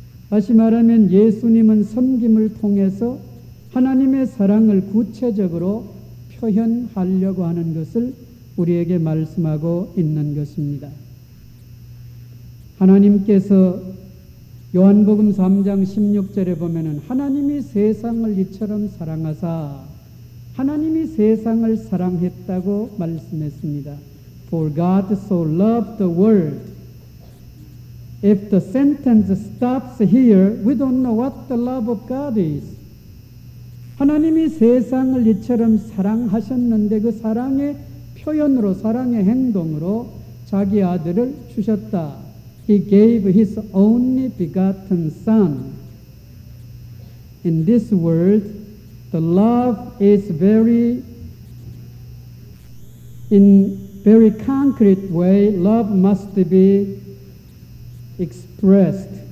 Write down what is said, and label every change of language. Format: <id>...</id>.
<ko>다시 말하면 예수님은 섬김을 통해서 하나님의 사랑을 구체적으로 표현하려고 하는 것을 우리에게 말씀하고 있는 것입니다. 하나님께서 요한복음 3장 16절에 보면은 하나님이 세상을 이처럼 사랑하사 하나님이 세상을 사랑했다고 말씀했습니다.</ko> <en>For God so loved the world. If the sentence stops here, we don't know what the love of God is.</en> <ko>하나님이 세상을 이처럼 사랑하셨는데 그 사랑의 표현으로, 사랑의 행동으로 자기 아들을 주셨다.</ko> <en>He gave his only begotten son. In this world, the love is in very concrete way, love must be expressed.</en>